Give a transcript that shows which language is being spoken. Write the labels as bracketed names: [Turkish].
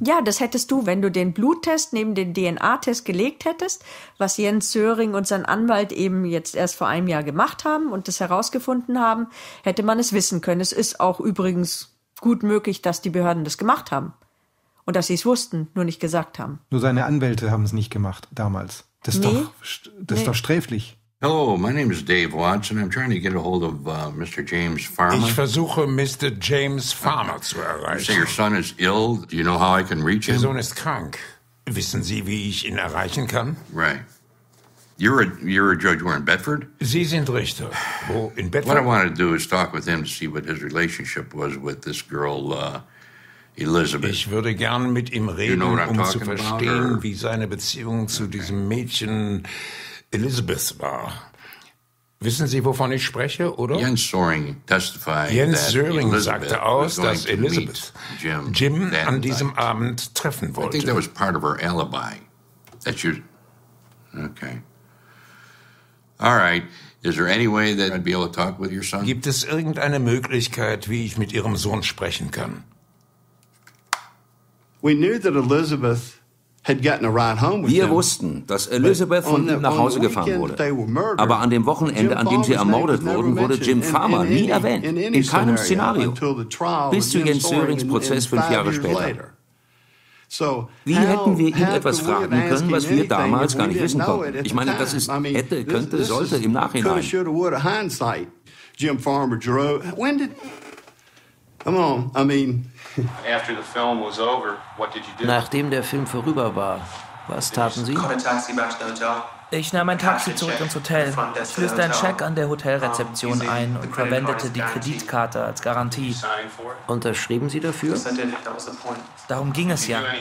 [German] Ja, das hättest du, wenn du den Bluttest neben den DNA-Test gelegt hättest, was Jens Söhring und sein Anwalt eben jetzt erst vor einem Jahr gemacht haben und das herausgefunden haben, hätte man es wissen können. Es ist auch übrigens gut möglich, dass die Behörden das gemacht haben und dass sie es wussten, nur nicht gesagt haben. Nur seine Anwälte haben es nicht gemacht damals. Das ist doch sträflich. [English] Hello, my name is Dave Watts and I'm trying to get a hold of Mr. James Farmer. [German] Ich versuche Mr. James Farmer zu erreichen. [English] You say your son is ill. Do you know how I can reach him? [German] Der Sohn ist krank. Wissen Sie, wie ich ihn erreichen kann? [English] Right. You're a judge. We're in Bedford. [German] Sie sind Richter. Wo in Bedford? [English] What I want to do is talk with him to see what his relationship was with this girl, Elizabeth. [German] Ich würde gerne mit ihm reden, um zu verstehen, wie seine Beziehung zu diesem Mädchen Elizabeth war. Wissen Sie, wovon ich spreche, oder? [English] Jens Söhring testified. [German] Jens Söhring sagte aus, dass Elizabeth Jim an diesem Abend treffen wollte. [English] I think that was part of her alibi. That's your. Okay. All right. Is there any way that I'd be able to talk with your son? [German] Gibt es irgendeine Möglichkeit, wie ich mit Ihrem Sohn sprechen kann? [English] We knew that Elizabeth had gotten a ride home with [German] Wir wussten, dass Elizabeth von ihm nach Hause gefahren wurde. Aber an dem Wochenende, an dem sie ermordet wurden, wurde Jim Farmer nie erwähnt. In keinem Szenario. Bis zu Jens Söhrings Prozess 5 Jahre später. Wie hätten wir ihn etwas fragen können, was wir damals gar nicht wissen konnten? Ich meine, das ist hätte, könnte, sollte im Nachhinein. [English] Jim Farmer, Jerome, when did... Come on, I mean... After the film was over, what did you do? [German] Nachdem der Film vorüber war, was taten Sie? Ich nahm ein Taxi zurück ins Hotel, löste einen Scheck an der Hotelrezeption ein und verwendete die Kreditkarte als Garantie. Unterschrieben Sie dafür? Darum ging es ja.